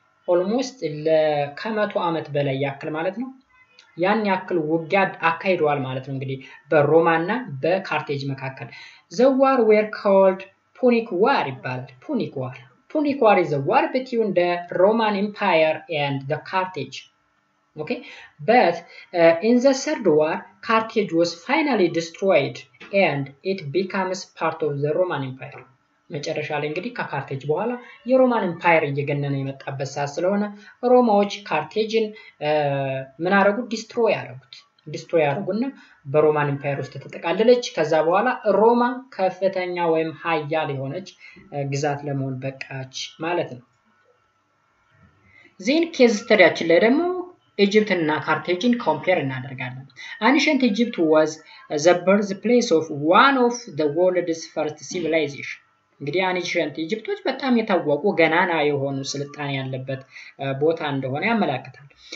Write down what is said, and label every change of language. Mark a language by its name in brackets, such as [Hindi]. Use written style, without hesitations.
[Amharic] Almost ከመቶ ዓመት በላይ ያክል ማለት ነው። ያን ያክል ውጊያ አካሂደዋል ማለት ነው እንግዲህ በሮማና በካርቴጅ መካከል። [English] The war were called Punic War [Amharic] ይባላል። Punic War. [English] Punic War is a war between the Roman Empire and the Carthage. Okay? But in the third war, Carthage was finally destroyed. And it becomes part of the Roman Empire. [Amharic] መጨረሻ ላይ እንግዲህ ከካርቴጅ በኋላ የሮማን ኢምፓየር እየገነነ የመጣበት ሰዓት ስለሆነ ሮማዎች ካርቴጅን ምን አረጉ? ዲስትሮይ አረጉና በሮማን ኢምፓየር ውስጥ ተጠቃለለች። ከዛ በኋላ ሮማ ከፍተኛ ወይም ሃያል የሆነች ግዛት ለመሆን በቃች ማለት ነው። ዘን ኬዝ ስተዲያችን ላይ ደግሞ ኢጅፕት እና ካርቴጅን ኮምፔር እናደርጋለን። [English] አንሸንት ኢጅፕት ዋዝ ዘ በርዝ ፕሌስ ኦፍ ዋን ኦፍ ዘ ወርልድስ ፈርስት ሲቪላይዜሽን። [Amharic] እንግዲህ አንሸንት ኢጅፕቶች በጣም የታወቁ ገናና የሆኑ ስልጣኔ ያለበት ቦታ እንደሆነ ያመለክታል።